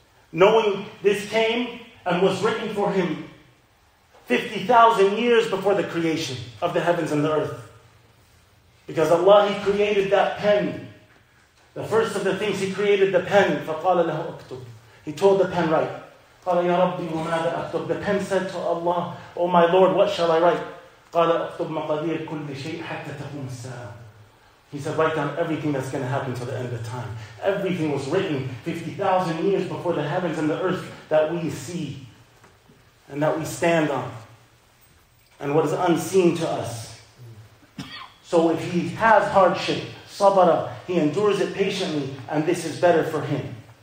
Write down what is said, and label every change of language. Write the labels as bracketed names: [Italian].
[English] Knowing this came and was written for him 50,000 years before the creation of the heavens and the earth. Because Allah, He created that pen. The first of the things He created, the pen. [Arabic] فَقَالَ لَهُ أَكْتُبُ [English] He told the pen, write. [Arabic] قال يا ربي وماذا أكتب. [English] The pen said to Allah, oh my Lord, what shall I write? [Arabic] قال أكتب مقادير كل شيء حتى تقوم الساعة. [English] He said, write down everything that's going to happen to the end of time. Everything was written 50,000 years before the heavens and the earth that we see and that we stand on and what is unseen to us. So if he has hardship, sabara, he endures it patiently, and this is better for him.